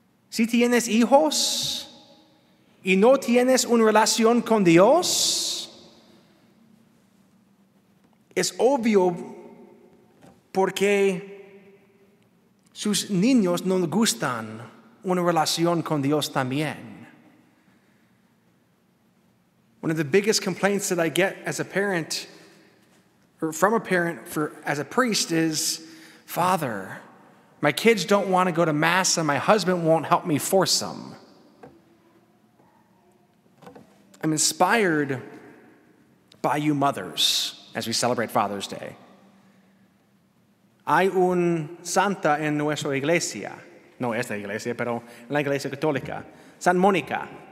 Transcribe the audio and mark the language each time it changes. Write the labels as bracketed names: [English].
[Spanish] Si tienes hijos y no tienes una relación con Dios, es obvio porque sus niños no gustan una relación con Dios también. [English] One of the biggest complaints that I get as a parent, or from a parent for as a priest, is, Father, my kids don't want to go to Mass and my husband won't help me force them. I'm inspired by you mothers as we celebrate Father's Day. [Spanish] Hay un santa en nuestra iglesia, no esta iglesia, pero la iglesia católica, San Mónica.